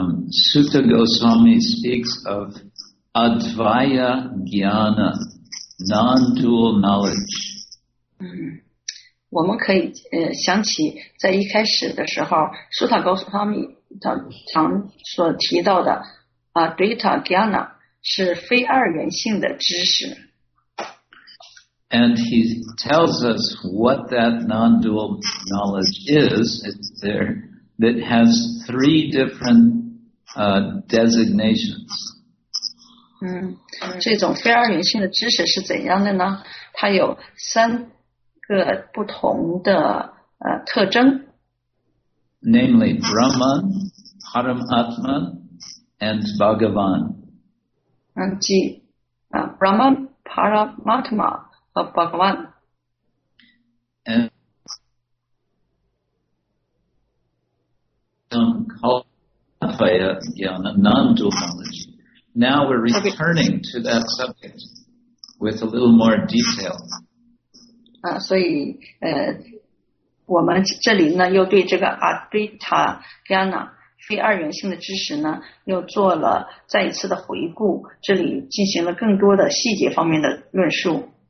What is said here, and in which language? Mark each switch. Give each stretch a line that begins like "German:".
English: Sutta Goswami speaks of Advaya Jnana, non-dual knowledge.
Chinese: 我们可以想起在一开始的时候苏塔高斯汤米他常所提到的 Advaita Jnana 是非二元性的知识。
English: And he tells us what that non-dual knowledge is. It's there that has three different designations.
Chinese: 这种非二元性的知识是怎样的呢？它有三个不同的特征，
English: namely Brahman, Paramatman, and Bhagavan.
Chinese: 即 Brahman, Paramatma 和 Bhagavan.
English: And some called Advaita Jnana, non-dual knowledge. Now we're returning to that subject with a little more detail.
Chinese: 所以我们这里呢又对这个 Advaita Jnana 非二元性的知识呢又做了再一次的回顾，这里进行了更多的细节方面的论述。